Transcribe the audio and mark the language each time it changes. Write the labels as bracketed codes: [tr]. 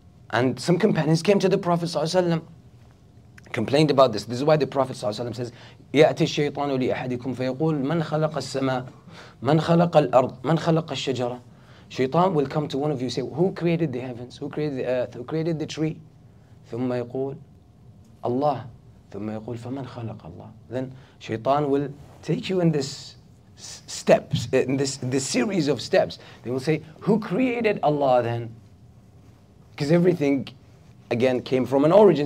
[en] And some companions came to the Prophet ﷺ, complained about this. This is why the Prophet ﷺ says, [ar] يَأْتِ الشَّيْطَانُ لِأَحَدِكُمْ فَيَقُولُ مَنْ خَلَقَ السَّمَاءِ مَنْ خَلَقَ الْأَرْضِ مَنْ خَلَقَ الشَّجَرَةِ [en] Shaitan will come to one of you and say, who created the heavens? Who created the earth? Who created the tree? [ar] ثُمَّ يَقُولُ Allah. ثُمَّ يَقُولُ فَمَنْ خَلَقَ اللَّهِ [en] Then Shaitan will take you in this steps, in this series of steps. They will say, who created Allah then? Because everything, again, came from an origin.